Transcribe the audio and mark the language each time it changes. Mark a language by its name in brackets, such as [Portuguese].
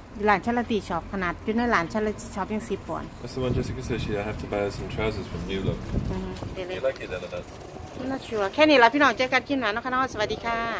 [Thai] Lan Charity Shop, ขนาดอยู่ในร้านชาลิตี้ช็อปยัง10 pounds. [English] That's the one Jessica said she I have to buy some trousers from New Look. Mm-hmm. Do you like it, Elena? I'm not sure. [Thai] แค่นี้ล่ะพี่น้องเจอกันกินหน่อยนะคะสวัสดีค่ะ